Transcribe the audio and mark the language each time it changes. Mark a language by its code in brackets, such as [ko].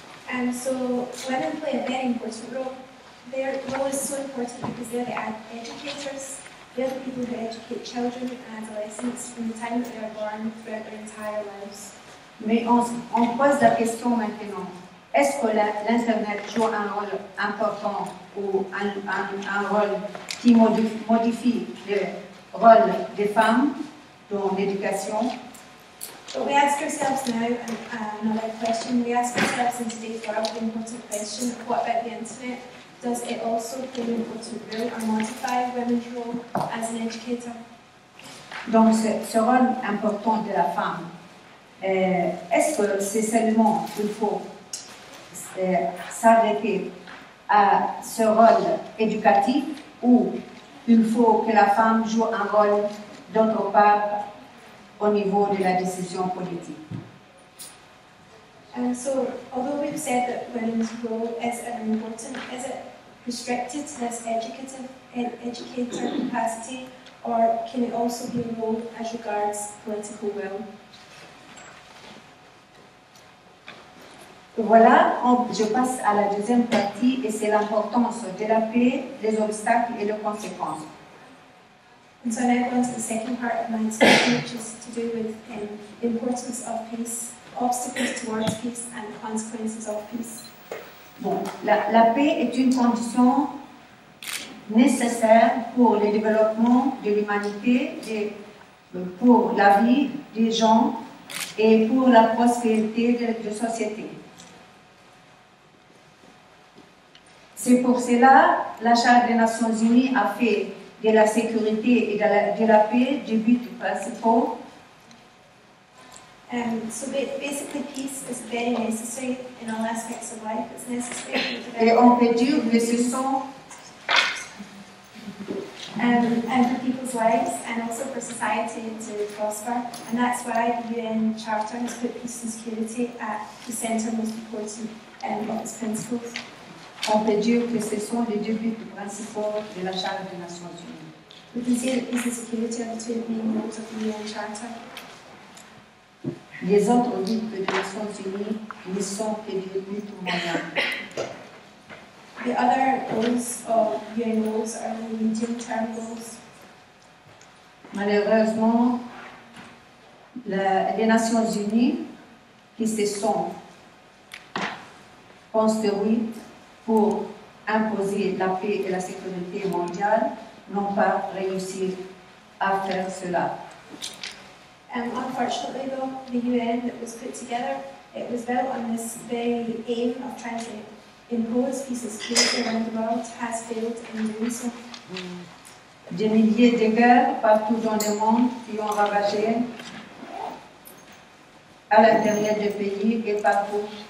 [en] And so women play a very important role. Their role is so important because they're the educators. They're the people who educate children and adolescents from the time that they are born throughout their entire lives. [fr] Mais on pose la question maintenant. Est-ce que l'Internet joue un rôle important ou un rôle qui modifie le rôle des femmes dans l'éducation? [en] But we ask ourselves now another question. We ask ourselves in today's world the important question, what about the Internet? Does it also play an important role or modify women's role as an educator? [fr] Donc ce rôle important de la femme, est-ce que c'est seulement qu'il faut s'arrêter à ce rôle éducatif ou il faut que la femme joue un rôle d'autre part au niveau de la décision politique? [en] So, although we've said that women's role is very important, is it restricted to this educator capacity, or can it also be a role as regards political will? [fr] Voilà, je passe à la deuxième partie et c'est l'importance de la paix, les obstacles et les conséquences. [en] And so now I go on to the second part of my discussion, which is to do with the importance of peace, obstacles towards peace and the consequences of peace. [fr] Bon, la paix est une condition nécessaire pour le développement de l'humanité, pour la vie des gens et pour la prospérité de société. C'est pour cela que la Charte des Nations Unies a fait de la sécurité et de la paix du but principal. [en] So basically, peace is very necessary in all aspects of life. It's necessary. [fr] Et on peut dire que ce sont [en] And for people's lives and also for society to prosper. And that's why the UN Charter has put peace and security at the center most important of its principles. [fr] On peut dire que ce sont les deux buts principaux de la Charte des Nations Unies. [en] We can see that peace and security are the two main goals of the UN Charter. [fr] Les autres buts des Nations Unies ne sont que des buts moyens. [en] The other goals of UN goals are the medium-term goals. [fr] Malheureusement, les Nations Unies qui se sont construites pour imposer la paix et la sécurité mondiale n'ont pas réussi à faire cela. [en] Unfortunately, though, the UN that was put together, it was built on this very aim of trying to impose peace and security around the world, has failed in doing so. [fr] Des milliers de guerres partout dans le monde qui ont ravagé à l'intérieur des pays et partout